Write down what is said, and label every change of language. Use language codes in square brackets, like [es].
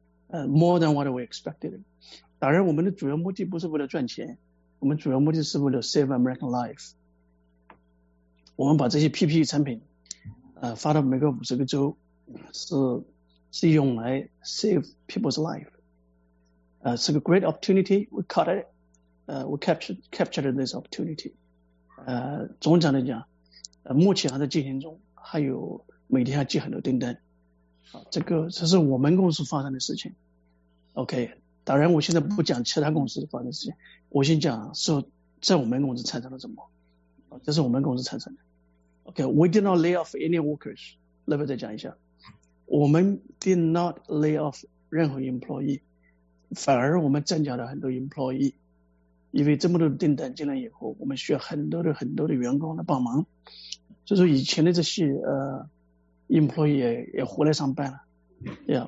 [en] More than what we expected. [zh] 当然我们的主要目的不是为了赚钱，我们主要目的是为了 [en] save American life. [zh] 我们把这些 PPE 产品发到美国50个州，是用来 [en] save people's life. [zh] 是个 [en] great opportunity. We caught it. We captured this opportunity. [zh] 总讲来讲，目前还在进行中，还有每天还接很多订单。这是我们公司发生的事情。OK， 当然我现在不讲其他公司发生的事情，我先讲说在我们公司产生了什么。这是我们公司产生的。 [en] OK， we did not lay off any workers. [zh] 那边再讲一下。我们 [en] did not lay off [zh] 任何 employee， 反而我们增加了很多 employee， 因为这么多订单进来以后，我们需要很多的员工来帮忙，就是以前的这些employee 也回来上班了。